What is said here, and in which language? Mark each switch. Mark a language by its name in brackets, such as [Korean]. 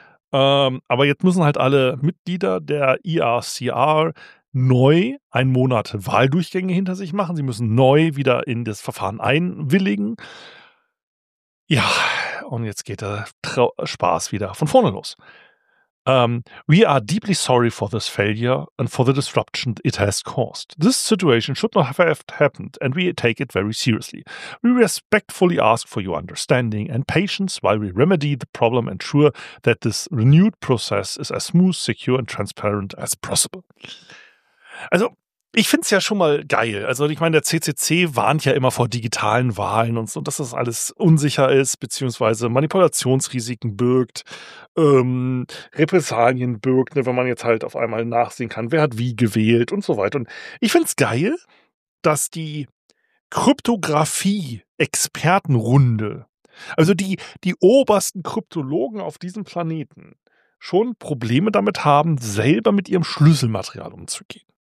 [German] Aber jetzt müssen halt alle Mitglieder der IACR neu einen Monat Wahldurchgänge hinter sich machen. Sie müssen neu wieder in das Verfahren einwilligen. Ja, und jetzt geht der Spaß wieder von vorne los. [English] We are deeply sorry for this failure and for the disruption it has caused. This situation should not have happened and we take it very seriously. We respectfully ask for your understanding and patience while we remedy the problem and ensure that this renewed process is as smooth, secure and transparent as possible. [German] Also, ich finde es ja schon mal geil. Also ich meine, der CCC warnt ja immer vor digitalen Wahlen und so, dass das alles unsicher ist, beziehungsweise Manipulationsrisiken birgt, Repressalien birgt, ne, wenn man jetzt halt auf einmal nachsehen kann, wer hat wie gewählt und so weiter. Und ich finde es geil, dass die Kryptografie-Expertenrunde, also die obersten Kryptologen auf diesem Planeten, schon Probleme damit haben, selber mit ihrem Schlüsselmaterial umzugehen.